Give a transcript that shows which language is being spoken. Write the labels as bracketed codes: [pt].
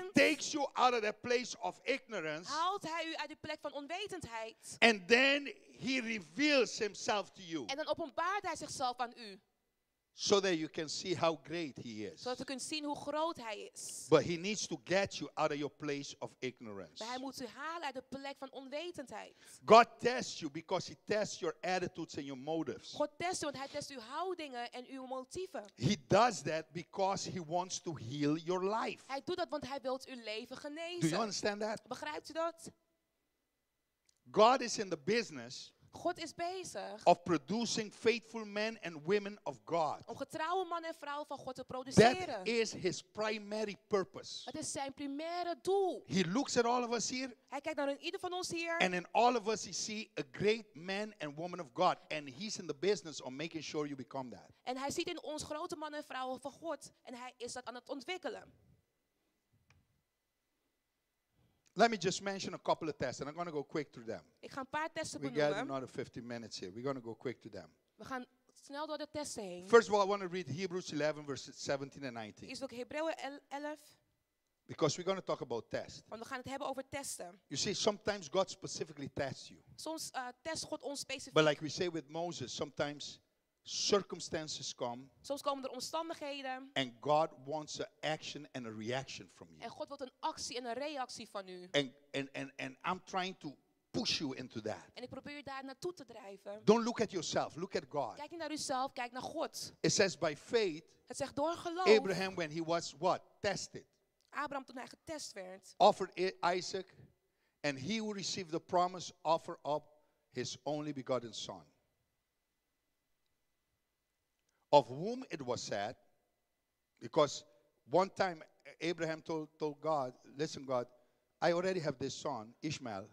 [en] he takes you out of that place of ignorance. [nl] Haalt hij u uit de plek van onwetendheid. [en] And then he reveals himself to you. [nl] En dan openbaart hij zichzelf aan u. [en] So that you can see how great he is. [nl] Zodat u kunt zien hoe groot hij is. [en] But he needs to get you out of your place of ignorance. [nl] Maar hij moet u halen uit de plek van onwetendheid. [en] God tests you because he tests your attitudes and your motives. [nl] God test u, want hij test uw houdingen en uw motieven. [en] He does that because he wants to heal your life. [nl] Hij doet dat want hij wilt uw leven genezen. [en] Do you understand that? [nl] Begrijpt u dat? [en] God is in the business. [nl] God is bezig [en] of producing faithful men and women of God. [nl] Om getrouwe mannen en vrouwen van God te produceren. [en] That is his primary purpose. [nl] Dat is zijn primaire doel. [en] He looks at all of us here. [nl] Hij kijkt naar ieder van ons hier. [en] And in all of us he see a great man and woman of God. And he's in the business of making sure you become that. [nl] En hij ziet in ons grote mannen en vrouwen van God. En hij is dat aan het ontwikkelen. [en] Let me just mention a couple of tests, and I'm going to go quick through them. [nl] Ik ga een paar testen benoemen. [en] We got another 15 minutes here. We're going to go quick to them. [nl] We gaan snel door de testen heen. [en] First of all, I want to read Hebrews 11, verses 17 and 19. [nl] Is ook Hebreeën 11? [en] Because we're going to talk about tests. [nl] Want we gaan het hebben over testen. [en] You see, sometimes God specifically tests you. [nl] Soms test God ons specifiek. [en] But like we say with Moses, sometimes circumstances come. [nl] Soms komen er omstandigheden. [en] And God wants an action and a reaction from you. [nl] En God wil een actie en een reactie van u. [en] And I'm trying to push you into that. [nl] En ik probeer u daar naartoe te drijven. [en] Don't look at yourself, look at God. [nl] Kijk niet naar uzelf, kijk naar God. [en] It says by faith. [nl] Het zegt door geloof. [en] Abraham when he was what? Tested. [nl] Abraham toen hij getest werd. [en] Offered Isaac and he who received the promise offer up his only begotten son. Of whom it was said, because one time Abraham told God, listen God, I already have this son, Ishmael.